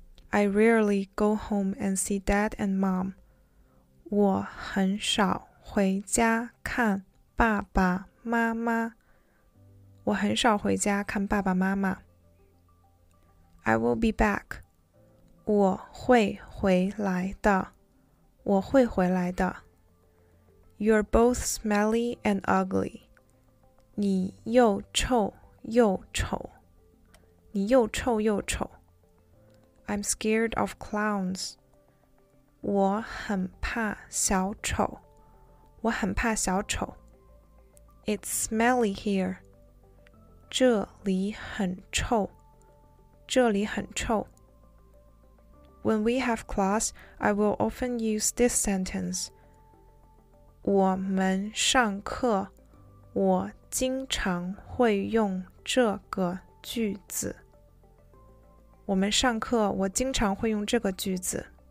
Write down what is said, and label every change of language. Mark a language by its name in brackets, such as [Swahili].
[English] I rarely go home and see dad and mom. [Chinese] 我很少回家看爸爸妈妈。我很少回家看爸爸妈妈。 [English] I will be back. [Chinese] 我会回来的。我会回来的。 [English] You're both smelly and ugly. [Chinese] 你又臭又丑。你又臭又丑。 [English] I'm scared of clowns. [Chinese] 我很怕小丑。我很怕小丑。 [English] It's smelly here. [Chinese] 这里很臭。这里很臭。 [English] When we have class, I will often use this sentence. [Chinese] 我们上课，我经常会用这个句子。我们上课，我经常会用这个句子。